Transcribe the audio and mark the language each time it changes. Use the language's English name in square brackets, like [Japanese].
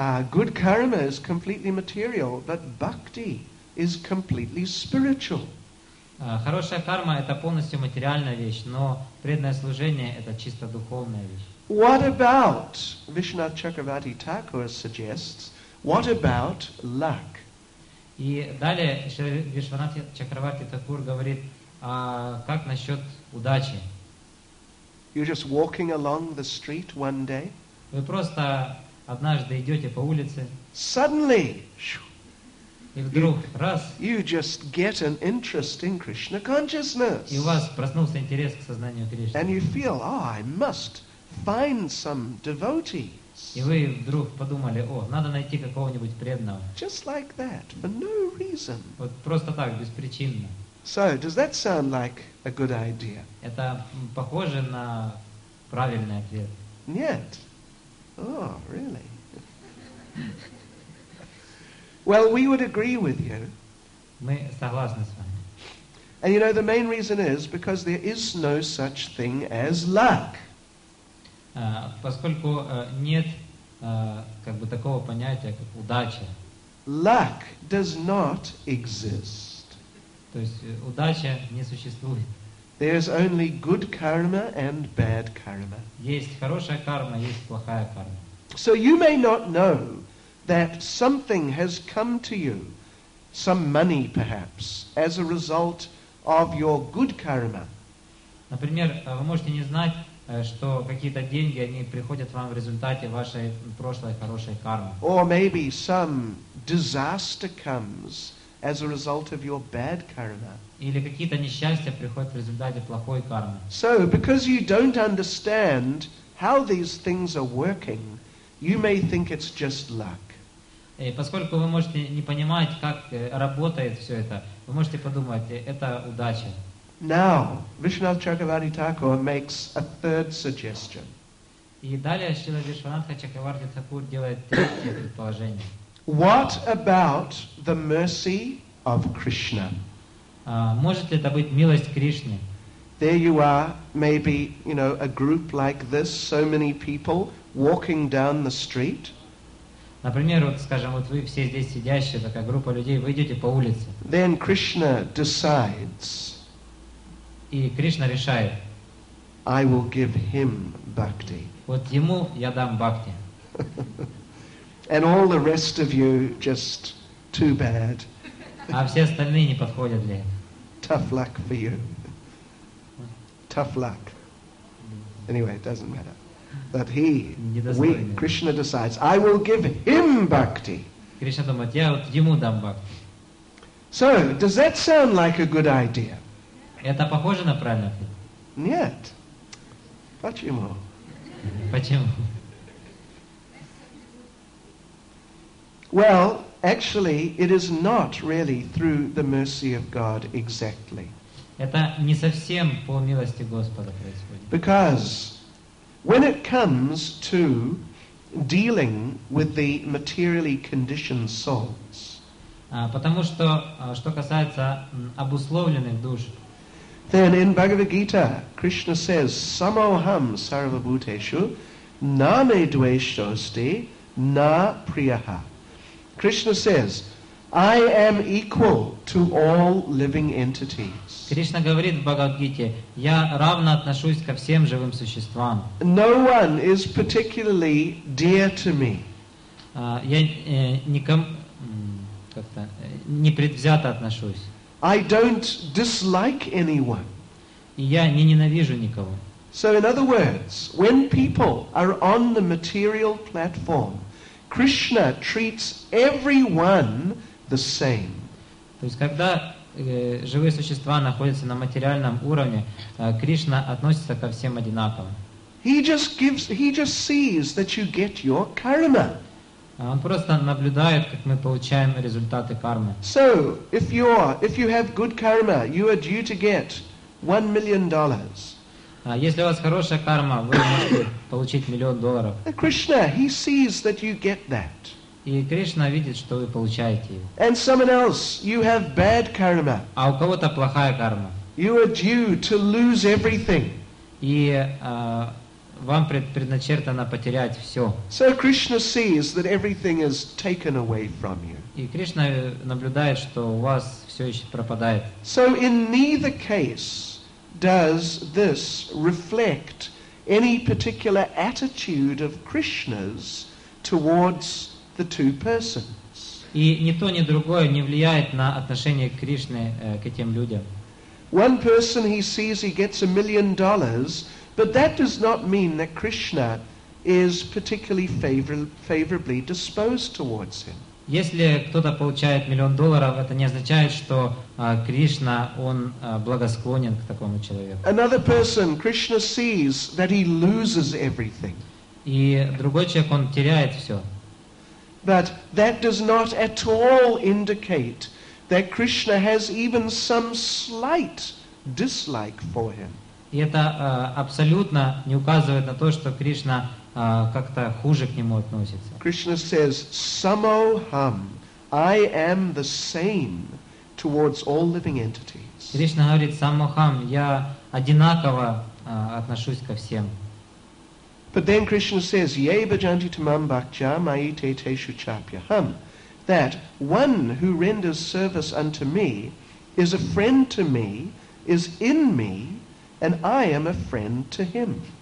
[English] Good karma is completely material, but bhakti is completely spiritual. [Russian] Хорошая карма – это полностью материальная вещь, но преданное служение – это чисто духовная вещь. [English] What about, Vishwanatha Chakravarti Thakur suggests, what about luck? [Russian] И далее Вишванатха Чакраварти Такур говорит, а как насчет удачи? [English] You're just walking along the street one day. [Russian] Вы просто однажды идете по улице. [English] Suddenly, [Russian] и вдруг, раз. [English] You just get an interest in Krishna consciousness. [Russian] И у вас проснулся интерес к сознанию Кришны. [English] And you feel, oh, I must find some devotees. [Russian] И вы вдруг подумали, о, надо найти какого-нибудь преданного. [English] Just like that, for no reason. [Russian] Вот просто так, беспричинно. [English] So, does that sound like a good idea? [Russian] Это похоже на правильный ответ. Нет. [English] Oh, really? Well, we would agree with you. [Russian] Мы согласны с вами. [English] And you know, the main reason is because there is no such thing as luck. [Russian] Поскольку нет как бы такого понятия, как удача. [English] Luck does not exist. [Russian] То есть удача не существует. [English] There is only good karma and bad karma. [Russian] Есть хорошая карма, есть плохая карма. [English] So you may not know that something has come to you, some money perhaps, as a result of your good karma. [Russian] Например, вы можете не знать, что какие-то деньги они приходят вам в результате вашей прошлой хорошей кармы. [English] Or maybe some disaster comes as a result of your bad karma. [Russian] Или какие-то несчастья приходят в результате плохой кармы. [English] So, because you don't understand how these things are working, you may think it's just luck. [Russian] И поскольку вы можете не понимать, как работает все это, вы можете подумать, это удача. [English] Now, Vishwanatha Chakravarti Thakur makes a third suggestion. [Russian] И далее Шрила Вишванатха Чакраварти Тхакур делает третье предположение. [English] What about the mercy of Krishna? [Russian] Может ли это быть милость Кришны? [English] There you are, maybe, you know, a group like this, so many people walking down the street. [Russian] Например, вот, скажем, вот вы все здесь сидящие, такая группа людей, вы идете по улице. [English] Then Krishna decides. [Russian] И Кришна решает. [English] I will give him bhakti. [Russian] Вот ему я дам бхакти. [English] And all the rest of you just too bad. [Russian] А все остальные не подходят для этого. [English] Tough luck for you. Tough luck. Anyway, it doesn't matter. But he, we, Krishna decides, I will give him bhakti. [Russian] Кришна думает, я вот ему дам бхакти. [English] So, does that sound like a good idea? [Russian] Это похоже на правильный ответ? Нет. Почему? Почему? [English] Well, actually, it is not really through the mercy of God exactly. [Russian] Это не совсем по милости Господа происходит. [English] Because when it comes to dealing with the materially conditioned souls, [Russian] потому что что касается обусловленных душ, [English] then in Bhagavad Gita, Krishna says, [Sanskrit] "Samoham sarvabhuteshu na me dveshosti na priyaha." [English] Krishna says, I am equal to all living entities. [Russian] Кришна говорит в Бхагавад-гите, я равно отношусь ко всем живым существам. [English] No one is particularly dear to me. [Russian] Я никому как-то непредвзято отношусь. [English] I don't dislike anyone. [Russian] Я не ненавижу никого. [English] So in other words, when people are on the material platform, Krishna treats everyone the same. [Russian] То есть когда живые существа находятся на материальном уровне, Кришна относится ко всем одинаково. [English] He just sees that you get your karma. [Russian] Он просто наблюдает, как мы получаем результаты кармы. [English] So, if you have good karma, you are due to get $1 million. [Russian] Если у вас хорошая карма, вы можете получить миллион долларов. [English] Krishna, he sees that you get that. [Russian] И Кришна видит, что вы получаете его. [English] And someone else, you have bad karma. [Russian] А у кого-то плохая карма. [English] You are due to lose everything. [Russian] И вам предначертано потерять все. [English] So Krishna sees that everything is taken away from you. [Russian] И Кришна наблюдает, что у вас все еще пропадает. [English] So in neither case does this reflect any particular attitude of Krishna's towards the two persons? [Russian] И ни то, ни другое не влияет на отношение Кришны к этим людям. [English] One person he sees he gets $1 million, but that does not mean that Krishna is particularly favorably disposed towards him. [Russian] Если кто-то получает миллион долларов, это не означает, что Кришна, он благосклонен к такому человеку. [English] Another person, Krishna sees that he loses everything. [Russian] И другой человек, он теряет все. [English] But that does not at all indicate that Krishna has even some slight dislike for him. [Russian] И это абсолютно не указывает на то, что Кришна как-то хуже к нему относится. [English] Krishna says, Samoham, I am the same towards all living entities. [Russian] Кришна говорит, Самохам, я одинаково отношусь ко всем. [English] But then Krishna says, [Sanskrit] Yebajanti tamam bhakcha mai te teshu chapyaham, [English] that one who renders service unto me is a friend to me, is in me, and I am a friend to him.